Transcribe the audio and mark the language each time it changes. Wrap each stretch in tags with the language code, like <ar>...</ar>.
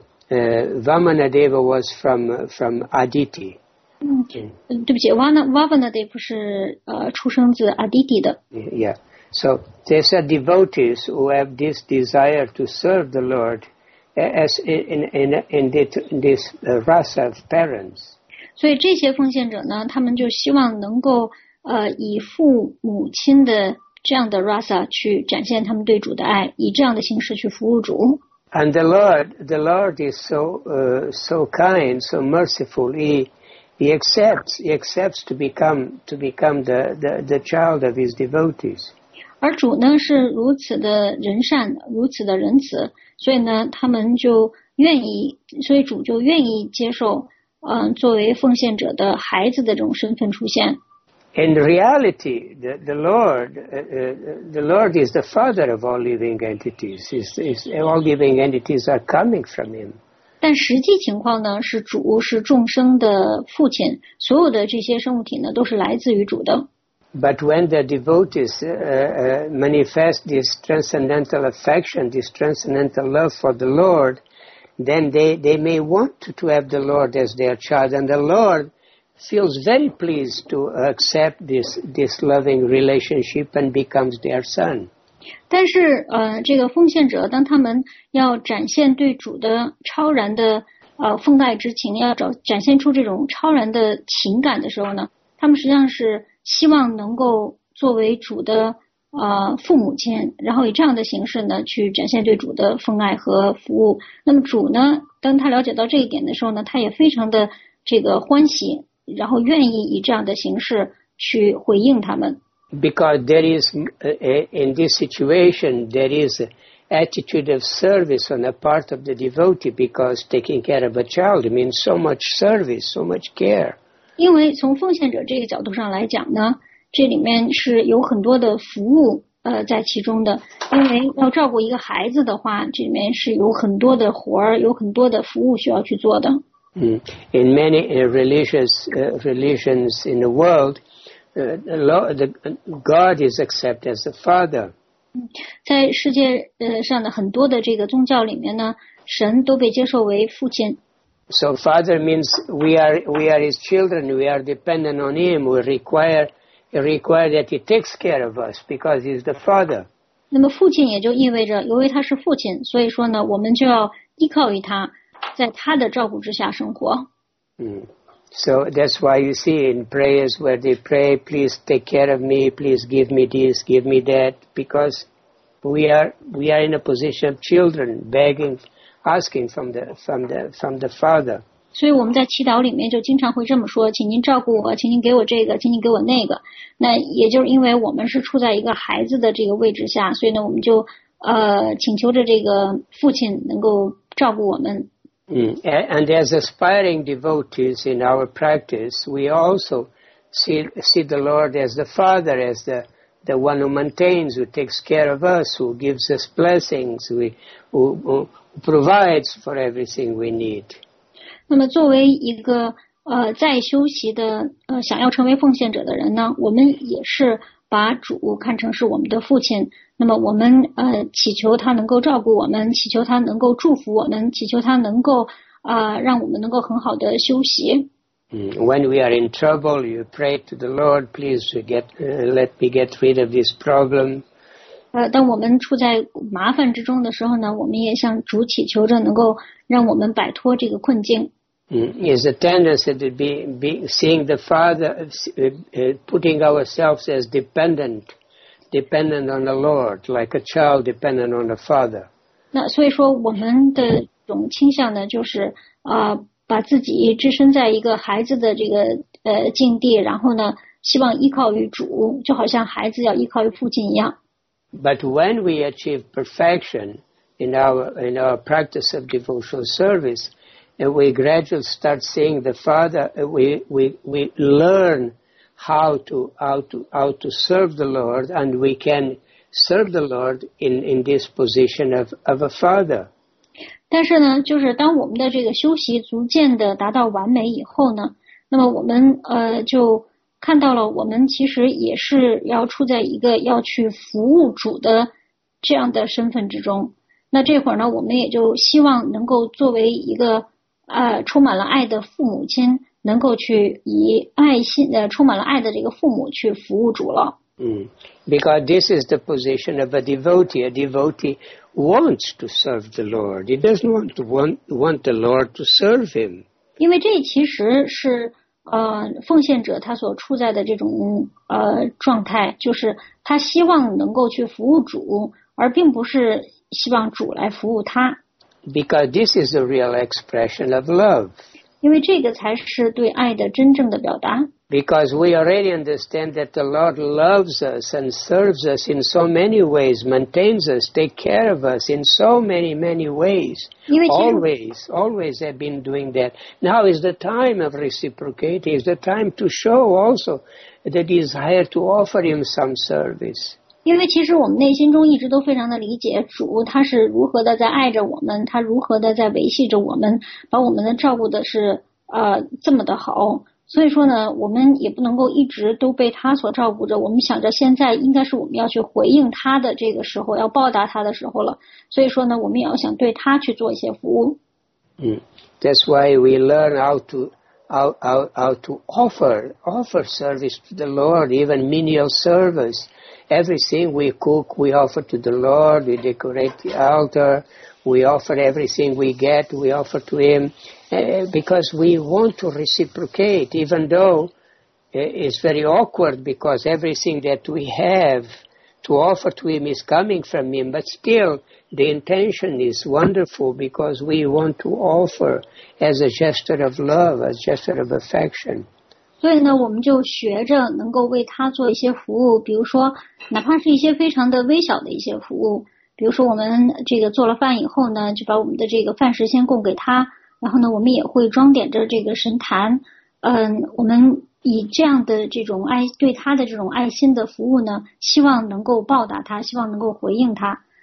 <en>Vamanadeva was from Aditi.</en> <zh>对不起， Vamanadeva 是出生自 Aditi 的。</zh> <en>Yeah, so these are devotees who have this desire to serve the Lord as in this rasa of parents.</en> <zh>所以这些奉献者呢，他们就希望能够以父母亲的这样的 rasa 去展现他们对主的爱，以这样的形式去服务主。</zh> <en>And the Lord is so kind, so merciful. He accepts to become the child of his devotees.</en> <zh>而主呢是如此的仁善，如此的仁慈，所以呢，他们就愿意，所以主就愿意接受，作为奉献者的孩子的这种身份出现。</zh> <en>In reality, the Lord is the father of all living entities. Is all living entities are coming from him.</en> <zh>但实际情况呢，是主是众生的父亲，所有的这些生物体呢，都是来自于主的。</zh> <en>But when the devotees manifest this transcendental affection, this transcendental love for the Lord, then they may want to have the Lord as their child, and the Lord feels very pleased to accept this loving relationship and becomes their son.</en> <zh>但是这个奉献者当他们要展现对主的超然的奉爱之情，要展现出这种超然的情感的时候呢，他们实际上是希望能够作为主的父母亲，然后以这样的形式呢去展现对主的奉爱和服务。那么主呢，当他了解到这一点的时候呢，他也非常的这个欢喜，然后愿意以这样的形式去回应他们。</zh> <en>Because there is in this situation there is an attitude of service on the part of the devotee, because taking care of a child means so much service, so much care.</en> <zh>因为从奉献者这个角度上来讲呢，这里面是有很多的服务在其中的。因为要照顾一个孩子的话，这里面是有很多的活儿，有很多的服务需要去做的。</zh> <en>In many religions in the world, God is accepted as the father.</en> <zh>在世界上的很多的这个宗教里面呢，神都被接受为父亲。</zh> <en>So father means we are his children, we are dependent on him, we require that he takes care of us because he's the father.</en> <zh>那么父亲也就意味着，由于他是父亲，所以说呢，我们就要依靠于他。在他的照顾之下生活。</zh> <en>So that's why you see in prayers where they pray, please take care of me, please give me this, give me that, because we are in a position of children begging, asking from the father.</en> <zh>所以我们在祈祷里面就经常会这么说，请您照顾我，请您给我这个，请您给我那个。那也就是因为我们是处在一个孩子的这个位置下，所以呢，我们就请求着这个父亲能够照顾我们。</zh> <en>And as aspiring devotees in our practice, we also see the Lord as the Father, as the one who maintains, who takes care of us, who gives us blessings, who provides for everything we need.</en> <zh>那么作为一个在修习的想要成为奉献者的人呢，我们也是把主看成是我们的父亲。那么我们祈求他能够照顾我们，祈求他能够祝福我们，祈求他能够让我们能够很好的休息。</zh> <en>When we are in trouble, you pray to the Lord, please let me get rid of this problem.</en> <zh>当我们处在麻烦之中的时候呢，我们也向主祈求着能够让我们摆脱这个困境。</zh> <en>Is a tendency to be seeing the Father, putting ourselves as dependent on the Lord, like a child dependent on the Father.</en> <zh>那所以说我们的这种倾向呢，就是把自己置身在一个孩子的这个境地，然后呢，希望依靠于主，就好像孩子要依靠于父亲一样。</zh> <en>But when we achieve perfection in our practice of devotional service,And we gradually start seeing the Father. We learn how to serve the Lord, and we can serve the Lord in this position of a father.</en> <zh>但是呢，就是当我们的这个修习逐渐的达到完美以后呢，那么我们就看到了，我们其实也是要处在一个要去服务主的这样的身份之中。那这会儿呢，我们也就希望能够作为一个充满了爱的父母亲能够去以爱心充满了爱的这个父母去服务主了。</zh> <en>Because this is the position of a devotee. A devotee wants to serve the Lord. He doesn't want the Lord to serve him.</en> <zh>因为这其实是奉献者他所处在的这种状态，就是他希望能够去服务主，而并不是希望主来服务他。</zh> <en>Because this is a real expression of love.</en> <zh>因为这个才是对爱的真正的表达。</zh> <en>Because we already understand that the Lord loves us and serves us in so many ways, maintains us, take care of us in so many, many ways. Always have been doing that. Now is the time of reciprocating, is the time to show also the desire to offer him some service.</en> <zh>因为其实我们内心中一直都非常的理解主他是如何的在爱着我们，他如何的在维系着我们，把我们的照顾的是这么的好，所以说呢，我们也不能够一直都被他所照顾着，我们想着现在应该是我们要去回应他的这个时候，要报答他的时候了，所以说呢，我们也要想对他去做一些服务。</zh> <en>That's why we learn how to offer service to the Lord, even menial serviceEverything we cook, we offer to the Lord, we decorate the altar, we offer everything we get, we offer to Him, because we want to reciprocate, even though it's very awkward because everything that we have to offer to Him is coming from Him, but still the intention is wonderful because we want to offer as a gesture of love, as a gesture of affection.</en> <zh>所以呢，我们就学着能够为他做一些服务，比如说，哪怕是一些非常的微小的一些服务，比如说我们这个做了饭以后呢，就把我们的这个饭食先供给他，然后呢，我们也会装点着这个神坛，我们以这样的这种爱对他的这种爱心的服务呢，希望能够报答他，希望能够回应他。</zh>